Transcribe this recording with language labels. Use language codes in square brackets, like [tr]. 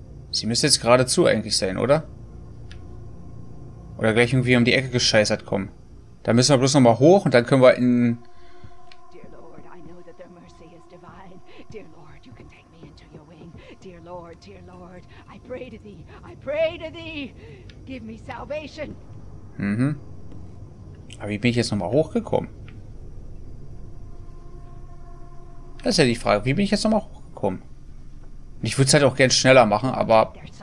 [de] Sie müsste jetzt geradezu eigentlich sein, oder? Oder gleich irgendwie um die Ecke gescheißert kommen. Da müssen wir bloß nochmal hoch und dann können wir in... [en] Dear Lord, I know that their mercy is divine. Dear Lord, you can take me into your wing. Dear Lord, I pray to thee, give me salvation. Mhm. [de] Aber wie bin ich jetzt nochmal hochgekommen? Das ist ja die Frage, wie bin ich jetzt nochmal hochgekommen? Ich würde es halt auch gern schneller machen, aber...